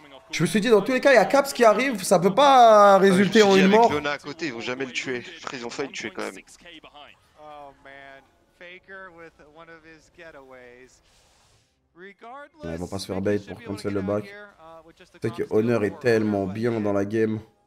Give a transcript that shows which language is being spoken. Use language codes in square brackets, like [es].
[fr] Je me suis dit dans tous les cas il y a Caps qui arrive, ça peut pas résulter en une avec mort. Avec Leona à côté, ils vont jamais le tuer. Frère, ils ont failli le tuer quand même. [en] Oh man, Faker with one of his getaways. [fr] Ils vont pas se faire bait pour cancel le back. C'est que Honor est tellement bien dans la game.